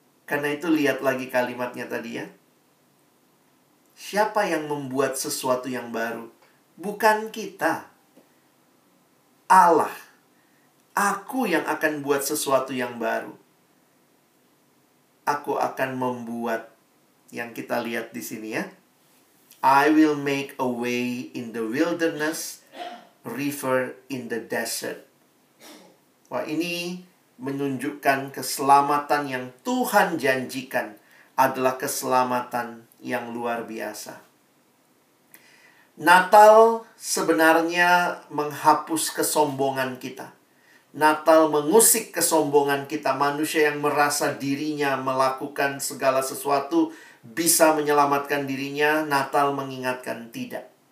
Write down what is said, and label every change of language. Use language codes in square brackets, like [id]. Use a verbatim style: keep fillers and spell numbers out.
[id] Karena itu lihat lagi kalimatnya tadi ya. Siapa yang membuat sesuatu yang baru? Bukan kita. Allah. Aku yang akan buat sesuatu yang baru. Aku akan membuat yang kita lihat di sini ya. [en] I will make a way in the wilderness, river in the desert. [id] Wah, ini menunjukkan keselamatan yang Tuhan janjikan adalah keselamatan yang luar biasa. Natal sebenarnya menghapus kesombongan kita. Natal mengusik kesombongan kita. Manusia yang merasa dirinya melakukan segala sesuatu bisa menyelamatkan dirinya, Natal mengingatkan tidak.